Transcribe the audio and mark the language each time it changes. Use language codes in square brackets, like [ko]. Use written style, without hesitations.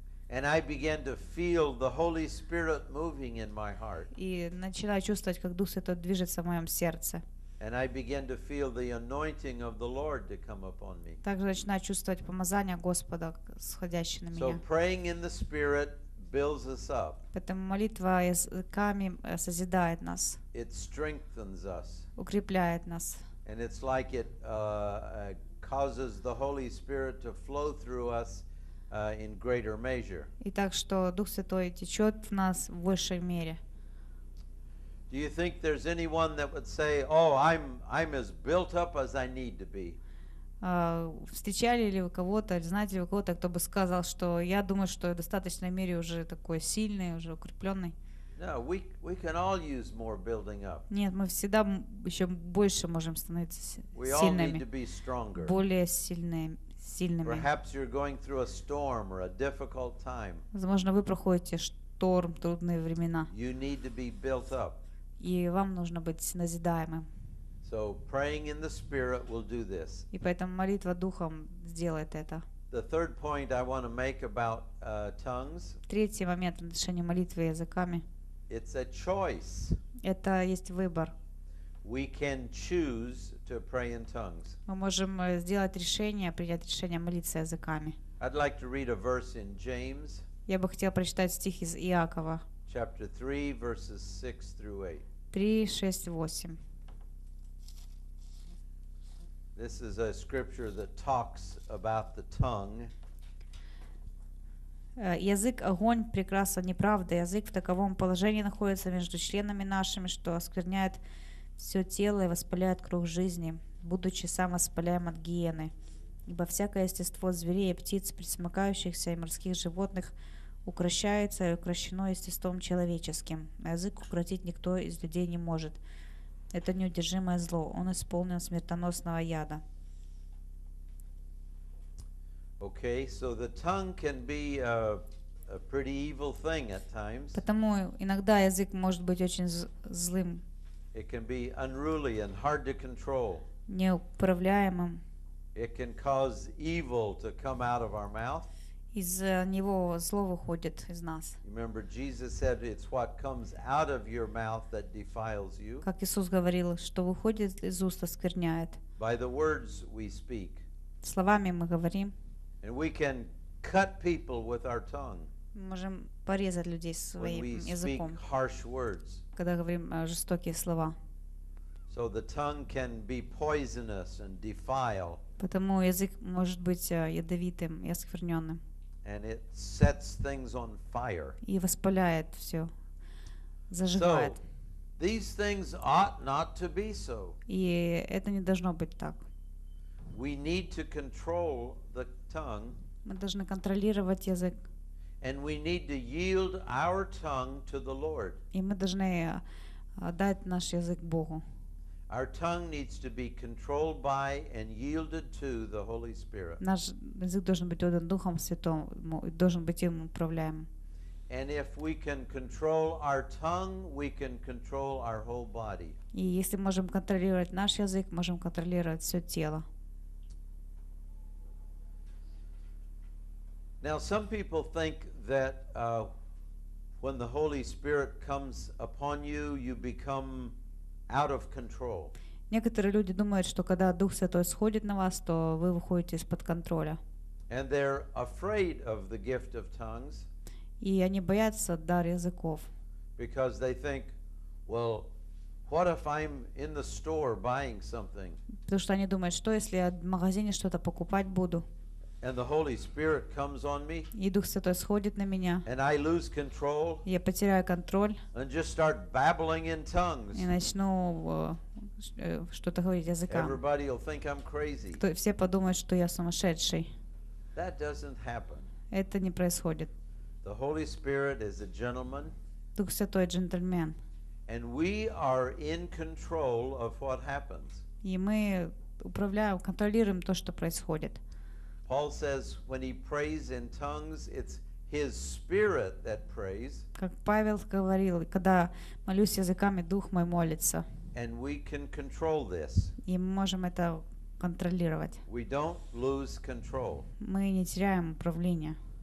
[en] And I begin to feel the Holy Spirit moving in my heart. [ru] И начинаю чувствовать, как Дух Святой движется в моем сердце. [en] And I begin to feel the anointing of the Lord to come upon me. [ru] Также начинаю чувствовать помазание Господа, сходящее на меня. [en] So praying in the Spirit builds us up. [ru] Поэтому молитва языками созидает нас. [en] It strengthens us. [ru] Укрепляет нас. [en] And it's like it causes the Holy Spirit to flow through us in greater measure. [ru] И так что Дух Святой течет в нас в высшей мере. [en] Do you think there's anyone that would say, "Oh, I'm as built up as I need to be"? [ru] Встречали ли вы кого-то, знаете ли вы кого-то, кто бы сказал, что я думаю, что в достаточной мере уже такой сильный, уже укрепленный? [en] No, we can all use more building up. [ru] Нет, мы всегда еще больше можем становиться [en] we [ru] сильными. [en] We all need to be stronger. [ru] Более сильными. [en] Perhaps you're going through a storm or a difficult time. [ru] Возможно, вы проходите шторм, трудные времена. [en] You need to be built up. [ru] И вам нужно быть назидаемым. [en] So praying in the Spirit will do this. [ru] И поэтому молитва духом сделает это. [en] The third point I want to make about tongues. [ru] Третий момент в отношении молитвы языками. [en] It's a choice. [ru] Это есть выбор. [en] We can choose to pray in tongues. [ru] Мы можем сделать решение, принять решение молиться языками. [en] I'd like to read a verse in James. [ru] Я бы хотел прочитать стих из Иакова. [en] Chapter 3, verses 6 through 8. [ru] 3, 6, 8. [en] This is a scripture that talks about the tongue. [ru] Язык огонь, прекраса неправда. Язык в таковом положении находится между членами нашими, что оскверняет все тело и воспаляет круг жизни, будучи сам воспаляем от гиены. Ибо всякое естество зверей и птиц, присмыкающихся и морских животных, укращается и укращено естеством человеческим. Язык укротить никто из людей не может. Это неудержимое зло. Он исполнен смертоносного яда. [en] Okay, so the tongue can be a pretty evil thing at times. [ru] Потому иногда язык может быть очень злым. [en] It can be unruly and hard to control. [ru] Неуправляемым. [en] It can cause evil to come out of our mouth. [ru] Из него зло выходит из нас. [en] Remember, Jesus said, "It's what comes out of your mouth that defiles you." [ru] Как Иисус говорил, что выходит из уст оскверняет. [en] By the words we speak. [ru] Словами мы говорим. [en] And we can cut people with our tongue. [ru] Можем порезать людей своим языком. [en] When we speak harsh words. [ru] Когда говорим жестокие слова. [en] So the tongue can be poisonous and defile. [ru] Потому язык может быть ядовитым и оскверненным. [en] And it sets things on fire. [ru] И воспаляет все, зажигает. [en] So these things ought not to be so. [ru] И это не должно быть так. [en] We need to control the tongue. [ru] Мы должны контролировать язык. [en] And we need to yield our tongue to the Lord. [ru] И мы должны дать наш язык Богу. [en] Our tongue needs to be controlled by and yielded to the Holy Spirit. [ru] Наш язык должен быть отдан Духом Святым, должен быть им управляем. [en] And if we can control our tongue, we can control our whole body. [ru] И если можем контролировать наш язык, можем контролировать все тело. [en] Now some people think that when the Holy Spirit comes upon you, you become out of control. [ru] Некоторые люди думают, что когда Дух Святой сходит на вас, то вы выходите из-под контроля. [en] And they're afraid of the gift of tongues. [ru] И они боятся дара языков. [en] Because they think, well, what if I'm in the store buying something? [ru] Потому что они думают, что если я в магазине что-то покупать буду? [en] And the Holy Spirit comes on me. [ru] И Дух Святой сходит на меня. [en] And I lose control. [ru] Я потеряю контроль. [en] And just start babbling in tongues. [ru] И начну что-то говорить языками. [en] Everybody will think I'm crazy. [ru] Все подумают, что я сумасшедший. [en] That doesn't happen. [ru] Это не происходит. [en] The Holy Spirit is a gentleman. [ru] Дух Святой джентльмен. [en] And we are in control of what happens. [ru] И мы управляем, контролируем то, что происходит. [en] Paul says when he prays in tongues, it's his spirit that prays. [ru] Как Павел говорил, когда молюсь языками, дух мой молится. [en] And we can control this. [ru] И мы можем это контролировать. [en] We don't lose control. [ru] Мы не теряем управление.